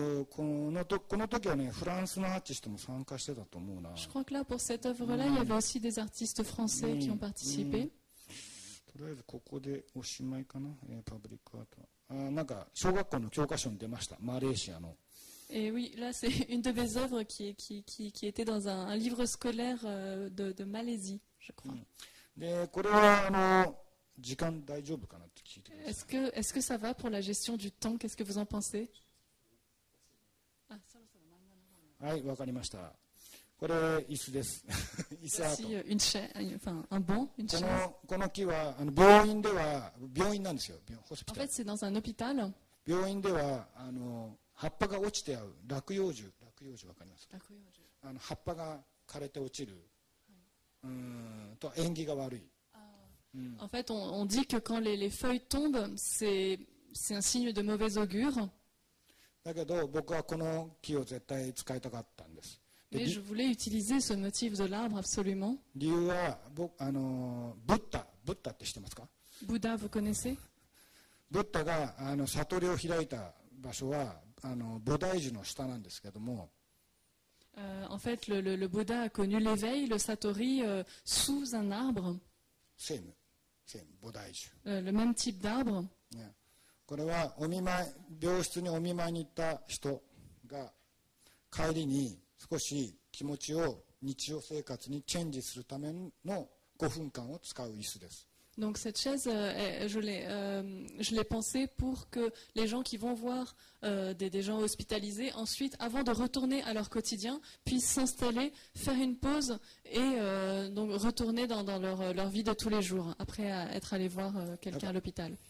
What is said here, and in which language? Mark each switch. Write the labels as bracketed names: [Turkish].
[Japanese] この時はね、フランスのアーティストも参加してたと思うな。 [French] Je crois que là, pour cette œuvre-là, il y avait aussi des artistes français qui ont participé. [Japanese] とりあえずここでおしまいかな、パブリックアート。なんか小学校の教科書に出ました、マレーシアの。 [French] Et oui, là, c'est une de mes œuvres qui était dans un livre scolaire de Malaisie, je crois. [Japanese] で、これはあの時間大丈夫かなって聞いてください。 [French] Est-ce que ça va pour la gestion du temps? Qu'est-ce que vous en pensez? [Japanese] はい、わかりました。これ椅子です。椅子アート。この木はあの病院では病院なんですよ。 [English] ホスピタル。 [French] En fait, c'est dans un hôpital. [Japanese] 病院ではあの葉っぱが落ちて合う落葉樹。落葉樹わかりますか。落葉樹。あの葉っぱが枯れて落ちる。と縁起が悪い。 [French] En fait, on dit que quand les feuilles tombent, c'est un signe de mauvais augure. [Japanese] だけど僕はこの木を絶対使いたかったんです。 [French] Mais je voulais utiliser ce motif de l'arbre absolument. [Japanese] 理由は僕あのブッダ、ブッダって知ってますか？ [French] ブッダ、vous connaissez？ [Japanese] ブッダがあの悟りを開いた場所はあの菩提樹の下なんですけども。 [French] En fait, le Bouddha a connu l'éveil, le satori, sous un arbre. [English] Same, [Japanese] 菩提樹。 [French] Le même type d'arbre. [Japanese] これはお見舞い、病室にお見舞いに行った人が帰りに少し気持ちを日常生活にチェンジするための5分間を使う椅子です。 [French] Donc cette chaise, je l'ai pensée pour que les gens qui vont voir des gens hospitalisés ensuite, avant de retourner à leur quotidien, puissent s'installer, faire une pause et donc retourner dans leur vie de tous les jours après être allé voir quelqu'un à l'hôpital.